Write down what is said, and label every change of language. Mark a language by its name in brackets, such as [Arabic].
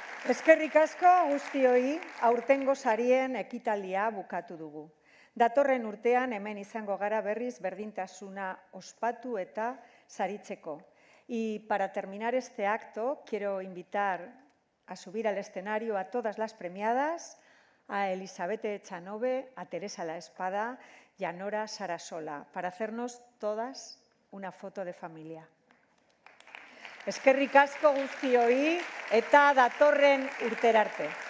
[Basque] Eskerrik asko guztioi, aurtengo sarien ekitaldia bukatu dugu. Datorren urtean hemen izango gara berriz berdintasuna ospatu eta saritzeko. [Spanish] Y para terminar este acto, quiero invitar a subir al escenario a todas las premiadas, a Elisabete Echanove, a Teresa La Espada y a Nora Sarasola, para hacernos todas una foto de familia. [Basque] Eskerrik asko guztioi eta datorren urterarte.